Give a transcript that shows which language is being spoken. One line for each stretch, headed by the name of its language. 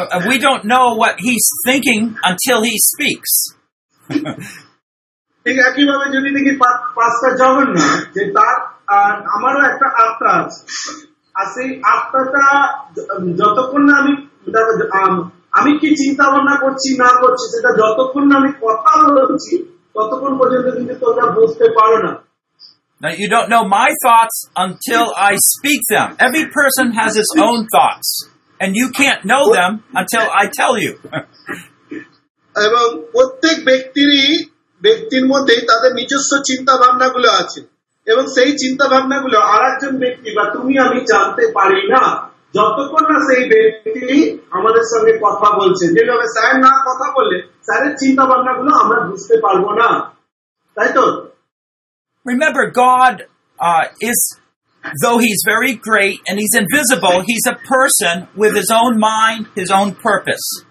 English: We don't know what he's thinking until he speaks.
Bangla: ঠিক একইভাবে যদি দেখি Pastor Jagannath, যে তার আমারও একটা আত্মা আছে, আর সেই আত্মাটা যতক্ষণ না আমি আমি কি চিন্তা ভাবনা করছি না করছি সেটা যতক্ষণ না আমি কথা বলছি ততক্ষণ পর্যন্ত কিন্তু তোমরা বুঝতে পারো না।
English: Now, you don't know my thoughts until I speak them. Every person has its own thoughts, and you can't know them until I tell you.
Bangla: এবং প্রত্যেক ব্যক্তির মধ্যে তাদের নিজস্ব চিন্তা ভাবনা গুলো আছে এবং সেই চিন্তা ভাবনা গুলো আর একজন ব্যক্তি বা তুমি আমি জানতে পারি না যতক্ষণ না সেই ব্যক্তি আমাদের সঙ্গে কথা বলছে। যেভাবে স্যার না কথা বললে স্যারের চিন্তা ভাবনা গুলো আমরা বুঝতে পারবো না, তাই তো?
English: Remember, God is, though he's very great and he's invisible, he's a person with his own mind, his own purpose.